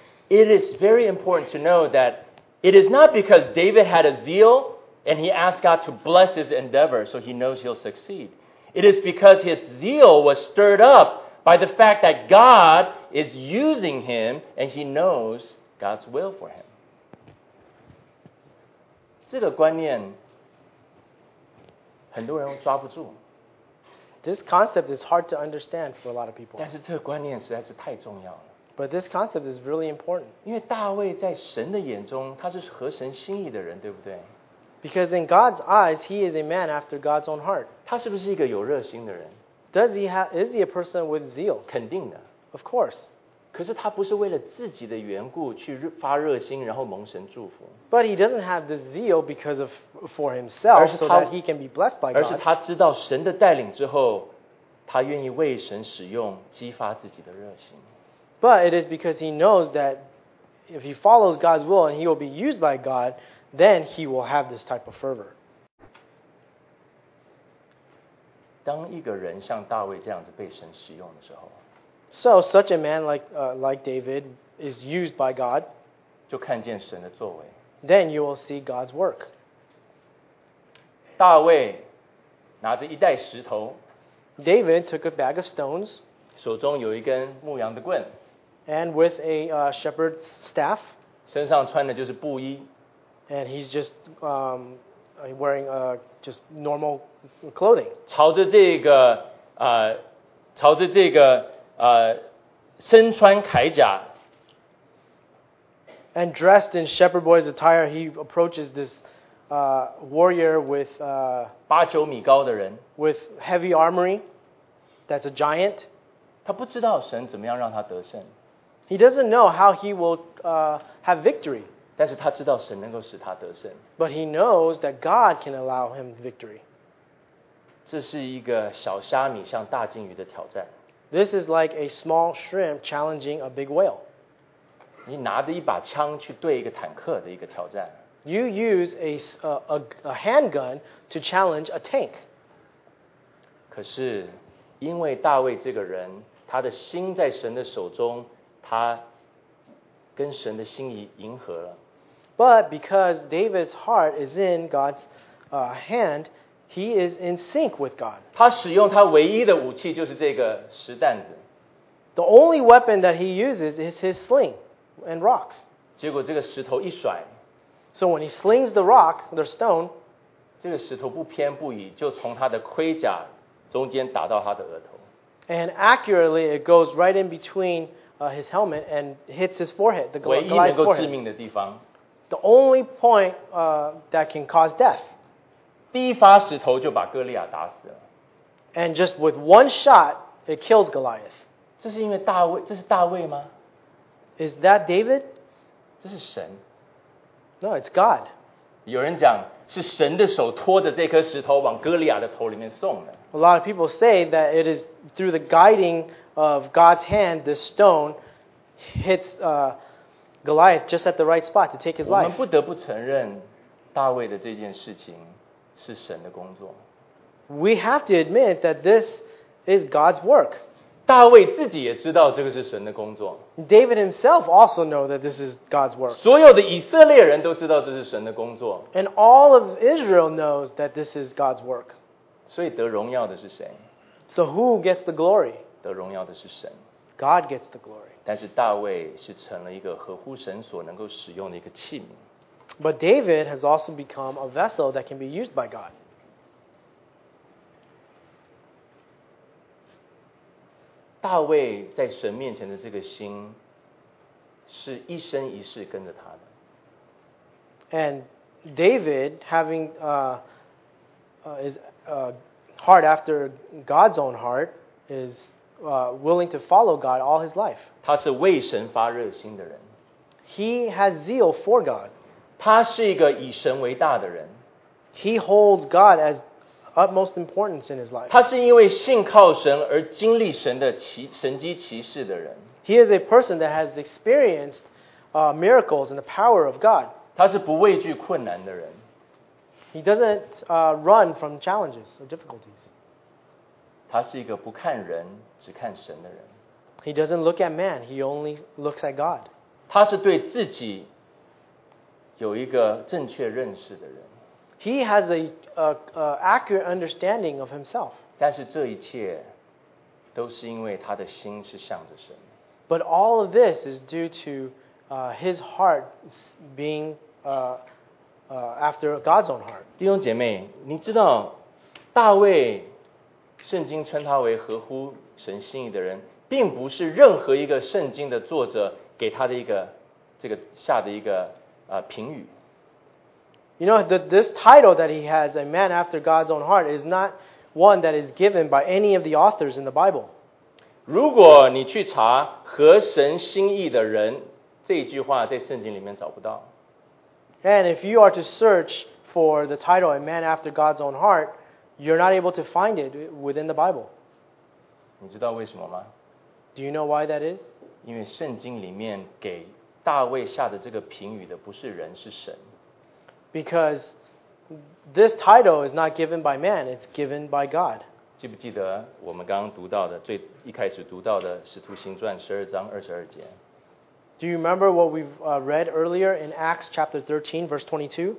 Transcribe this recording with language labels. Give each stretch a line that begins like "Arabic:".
English: It is very important to know that it is not because David had a zeal and he asked God to bless his endeavor so he knows he'll succeed. It is because his zeal was stirred up by the fact that God is using him and he knows God's will for him.
Chinese: 这个观念很多人抓不住。
English: This concept is hard to understand for a lot of people.
Chinese: 但是这个观念实在是太重要了。
English: But this concept is really important.
Chinese: 因为大卫在神的眼中，他是合神心意的人，对不对？
English: Because in God's eyes, he is a man after God's own heart.
Chinese: 他是不是一个有热心的人？
English: Is he a person with zeal?
Chinese: 肯定的。
English: Of course.
Chinese: 可是他不是为了自己的缘故去发热心，然后蒙神祝福。
English: But he doesn't have this zeal because of for himself, so that he can be blessed by God.
Chinese: 而是他知道神的带领之后，他愿意为神使用，激发自己的热心。
English: But it is because he knows that if he follows God's will and he will be used by God, then he will have this type of fervor.
Chinese: 当一个人像大卫这样子被神使用的时候。
English: So such a man like David is used by God.
Chinese: 就看见神的作为。
English: Then you will see God's work.
Chinese: 大卫拿着一袋石头。
English: David took a bag of stones.
Chinese: 手中有一根牧羊的棍。
English: And with a shepherd's staff.
Chinese: 身上穿的就是布衣。
English: And he's just wearing just normal clothing.
Chinese: 朝着这个。身穿铠甲
English: and dressed in shepherd boy's attire, he approaches this warrior with
Chinese: 八九米高的人
English: with heavy armory that's a giant.
Chinese: 他不知道神怎么样让他得胜
English: He doesn't know how he will have victory.
Chinese: 但是他知道神能够使他得胜
English: But he knows that God can allow him victory.
Chinese: 这是一个小虾米向大鲸鱼的挑战。
English: This is like a small shrimp challenging a big whale.
Chinese: 你拿着一把枪去对一个坦克的一个挑战。
English: You use a handgun to challenge a tank.
Chinese: 可是因为大卫这个人，他的心在神的手中，他跟神的心意迎合了。
English: But because David's heart is in God's hand,He is in sync with God.
Chinese: 他使用他唯一的武器就是这个石担子。
English: The only weapon that he uses is his sling and rocks.
Chinese: 结果这个石头一甩。
English: So when he slings the rock, the stone,
Chinese: 这个石头不偏不倚就从他的盔甲中间打到他的额头。
English: And accurately, it goes right in between his helmet and hits his forehead, the Goliath's forehead.
Chinese: 唯一能够致命的地方。
English: The only point that can cause death.
Chinese: 第一发石头就把哥利亚打死了。
English: And just with one shot, it kills Goliath.
Chinese: 这是因为大卫，这是大卫吗？
English: Is that David?
Chinese: 这是神。
English: No, it's God.
Chinese: 有人讲是神的手拖着这颗石头往哥利亚的头里面送的。
English: A lot of people say that it is through the guiding of God's hand, this stone hits Goliath just at the right spot to take his life.
Chinese: 我们不得不承认大卫的这件事情。是神的工作。
English: We have to admit that this is God's work.
Chinese: 大卫自己也知道这个是神的工作。
English: David himself also knows that this is God's work.
Chinese: 所有的以色列人都知道这是神的工作。
English: And all of Israel knows that this is God's work.
Chinese: 所以得荣耀的是谁？
English: So who gets the glory?
Chinese: 得荣耀的是神。
English: God gets the glory.
Chinese: 但是大卫是成了一个合乎神所能够使用的一个器皿。
English: But David has also become a vessel that can be used by God.
Chinese: 大卫在神面前的这个心是一生一世跟着他的。
English: And David, having heart after God's own heart, is willing to follow God all his life.
Chinese: 他是为神发热心的人。
English: He has zeal for God.
Chinese: 他是一个以神为大的人。
English: He holds God as utmost importance in his life.
Chinese: 他是因为信靠神而经历神的神迹奇事的人。
English: He is a person that has experienced miracles and the power of God.
Chinese: 他是不畏惧困难的人。
English: He doesn't run from challenges or difficulties.
Chinese: 他是一个不看人只看神的人。
English: He doesn't look at man, he only looks at God.
Chinese: 他是对自己有一个正确认识的人。
English: He has an accurate understanding of himself.
Chinese: 但是这一切都是因为他的心是向着神。
English: But all of this is due to his heart being after God's own heart.
Chinese: 弟兄姐妹，你知道大卫圣经称他为合乎神心意的人，并不是任何一个圣经的作者给他的一个这个下的一个评语。
English: You know, this title that he has, a man after God's own heart, is not one that is given by any of the authors in the Bible.
Chinese: 如果你去查合神心意的人，这句话在圣经里面找不到。
English: And if you are to search for the title, a man after God's own heart, you're not able to find it within the Bible.
Chinese: 你知道为什么吗？
English: Do you know why that is?
Chinese: 因为圣经里面给大卫下的这个评语的不是人，是神。
English: Because this title is not given by man, it's given by God.
Chinese: 记不记得我们刚刚读到的，最一开始读到的《使徒行传》十二章二十二节？
English: Do you remember what we've read earlier in Acts chapter 13, verse 22?